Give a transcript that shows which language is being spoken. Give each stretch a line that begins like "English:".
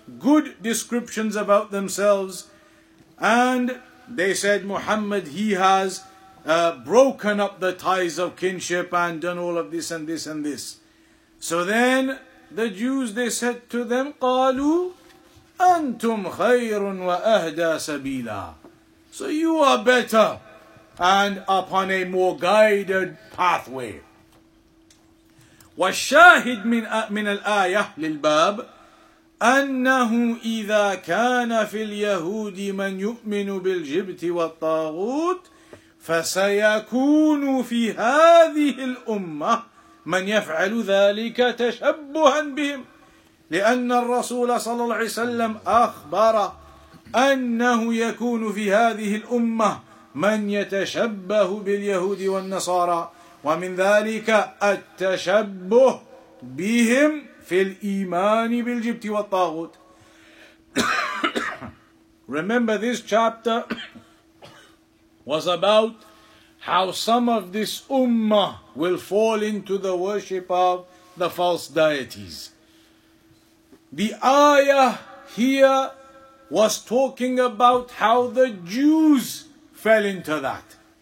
English: good descriptions about themselves. And they said, Muhammad, he has broken up the ties of kinship and done all of this and this and this. So then the Jews, they said to them,
Arabic: قالوا أنتم خير وأهدى سبيلا.
English: So you are better and upon a more guided pathway.
Arabic: والشاهد من الآية للباب أنه إذا كان في اليهود من يؤمن بالجبت والطاغوت فسيكون في هذه الأمة من يفعل ذلك تشبها بهم لأن الرسول صلى الله عليه وسلم أخبر أنه يكون في هذه الأمة من يتشبه باليهود والنصارى ومن ذلك التشبه بهم في الإيمان بالجبت والطاغوت.
English: Remember, this chapter was about how some of this ummah will fall into the worship of the false deities. The ayah here was talking about how the Jews fell into that.